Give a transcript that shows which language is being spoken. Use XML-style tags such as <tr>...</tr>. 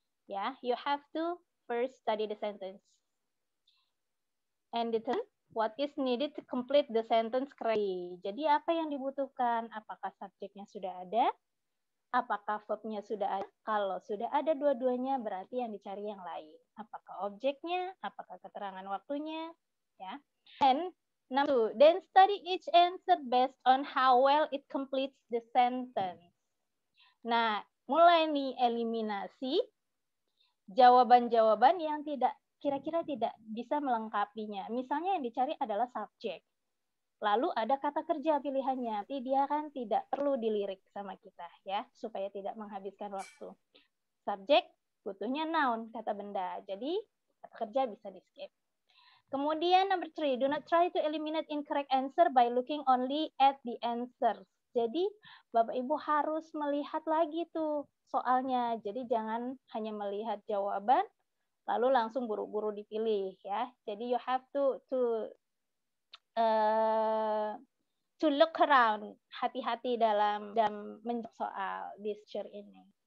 <en>Ya, you have to first study the sentence. And then what is needed to complete the sentence correctly?</en> <id>Jadi apa yang dibutuhkan? Apakah subjeknya sudah ada? Apakah verbnya sudah ada? Kalau sudah ada dua-duanya, berarti yang dicari yang lain. Apakah objeknya? Apakah keterangan waktunya? Ya.</id> <en>And number two, then study each answer based on how well it completes the sentence.</en> <id>Nah, mulai nih eliminasi jawaban-jawaban yang tidak kira-kira tidak bisa melengkapinya. Misalnya yang dicari adalah subjek. Lalu ada kata kerja pilihannya, tapi dia kan tidak perlu dilirik sama kita ya, supaya tidak menghabiskan waktu. Subjek butuhnya noun, kata benda. Jadi kata kerja bisa di skip.</id> <en>Kemudian number three, do not try to eliminate incorrect answer by looking only at the answers.</en> <id>Jadi Bapak Ibu harus melihat lagi tuh soalnya. Jadi jangan hanya melihat jawaban lalu langsung buru-buru dipilih ya. Jadi</id> <en>you have to look around,</en> <id>hati-hati dalam menjawab soal di structure ini.</id>